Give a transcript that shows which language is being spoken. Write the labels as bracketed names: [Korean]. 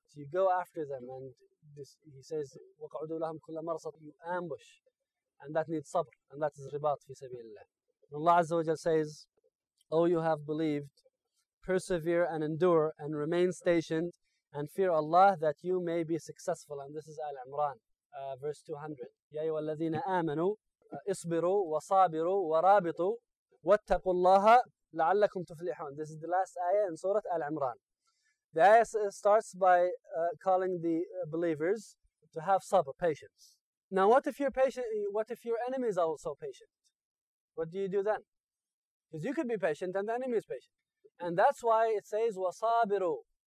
[English] So you go after them, and this, he says, [Arabic] وَقَعُدُوا لَهُمْ كُلَّ مَرْصَدٍ, [English] you ambush. And that needs sabr, and that is ribat fi sabilillah. And Allah Azza wa Jal says, O you have believed, persevere and endure, and remain stationed, and fear Allah that you may be successful. And this is Al Imran, verse 200. [Arabic] يَا أَيُّهَا الَّذِينَ آمَنُوا اصْبِرُوا وَصَابِرُوا وَرَابِطُوا وَاتَّقُوا اللَّهَ لَعَلَّكُمْ تُفْلِحُونَ. [English] This is the last ayah in Surah Al Imran. The ayah starts by calling the believers to have sabr, patience. Now, what if you're patient? What if your enemy is also patient? What do you do then? Because you could be patient and the enemy is patient. And that's why it says wasabiru.